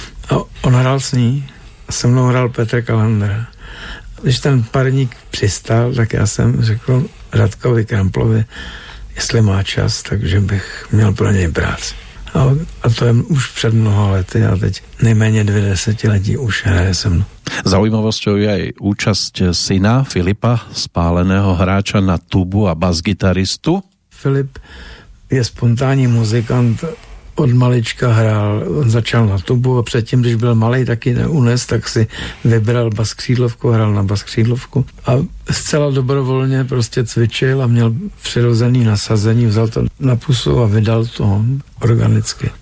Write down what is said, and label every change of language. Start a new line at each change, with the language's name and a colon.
Czech: A on hrál s ní a se mnou hrál Petr Kalandra. Když ten parník přistál, tak já jsem řekl Radkovi Kramplovi, jestli má čas, takže bych měl pro něj brát. A to je už před mnoha lety a teď nejméně 2 desetiletí už hraje se mnou.
Slovak: Zaujímavosťou je aj účasť syna Filipa Spáleného, hráča na tubu a basgitaristu.
Czech: Filip je spontánní muzikant, od malička hrál, on začal na tubu a předtím, když byl malej, taky neunes, tak si vybral baskřídlovku, hrál na baskřídlovku a zcela dobrovolně prostě cvičil a měl přirozený nasazení, vzal to na pusu a vydal to organicky.